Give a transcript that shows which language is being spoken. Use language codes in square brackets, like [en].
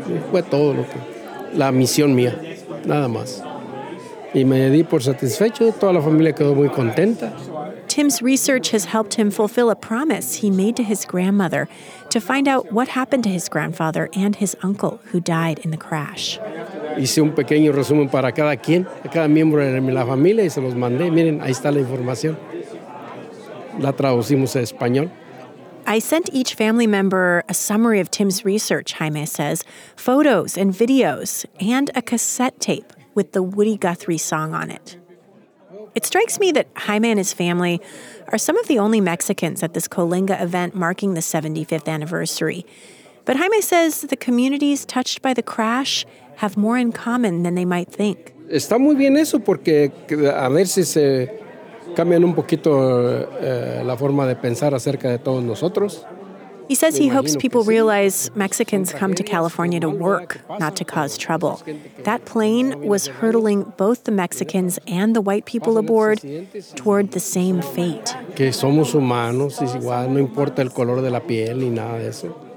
[es] Fue todo lo que... La misión mía, nada más. Y me di por satisfecho. Toda la familia quedó muy contenta. [en] Tim's research has helped him fulfill a promise he made to his grandmother to find out what happened to his grandfather and his uncle who died in the crash. [es] Hice un pequeño resumen para cada quien, cada miembro de la familia, y se los mandé. Miren, ahí está la información. La traducimos a español. [en] I sent each family member a summary of Tim's research, Jaime says, photos and videos, and a cassette tape with the Woody Guthrie song on it. It strikes me that Jaime and his family are some of the only Mexicans at this Coalinga event marking the 75th anniversary. But Jaime says the communities touched by the crash have more in common than they might think. [es] Está muy bien eso porque a ver si se cambian un poquito la forma de pensar acerca de todos nosotros. [en] He says he hopes people realize Mexicans come to California to work, not to cause trouble. That plane was hurtling both the Mexicans and the white people aboard toward the same fate. [es] Que somos humanos, es igual, no importa el color de la piel ni nada de eso.